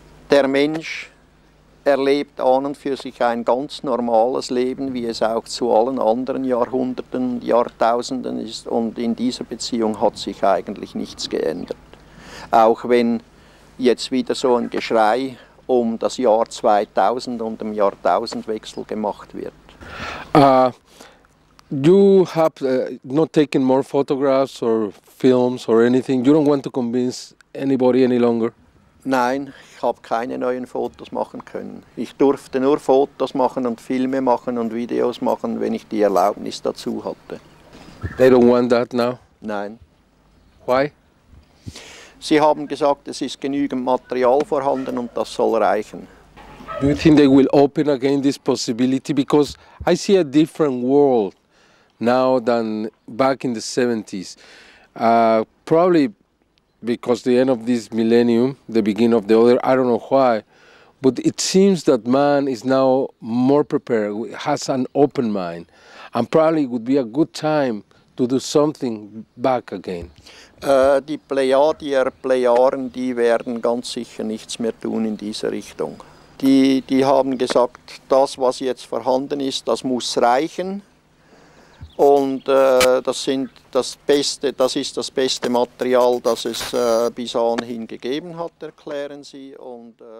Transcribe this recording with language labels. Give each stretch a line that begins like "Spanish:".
German: Der Mensch erlebt an und für sich ein ganz normales Leben, wie es auch zu allen anderen Jahrhunderten, Jahrtausenden ist. Und in dieser Beziehung hat sich eigentlich nichts geändert. Auch wenn jetzt wieder so ein Geschrei um das Jahr 2000 und dem Jahrtausendwechsel gemacht wird.
English: You have not taken more photographs or films or anything. You don't want to convince anybody any longer?
German: Nein, ich habe keine neuen Fotos machen können. Ich durfte nur Fotos machen und Filme machen und Videos machen, wenn ich die Erlaubnis dazu hatte.
English: They don't want that now?
German: Nein.
English: Why?
German: Sie haben gesagt, es ist genügend Material vorhanden und das soll reichen.
English: Do you think they will open again this possibility? Because I see a different world now than back in the 70s. Probably because the end of this millennium, the beginning of the other, I don't know why, but it seems that man is now more prepared, has an open mind, and probably it would be a good time to do something back again.
German: Die Plejadier, Plejaren, die werden ganz sicher nichts mehr tun in dieser Richtung. Die haben gesagt, das, was jetzt vorhanden ist, das muss reichen. Und das ist das beste Material, das es bis anhin gegeben hat, erklären sie. Und,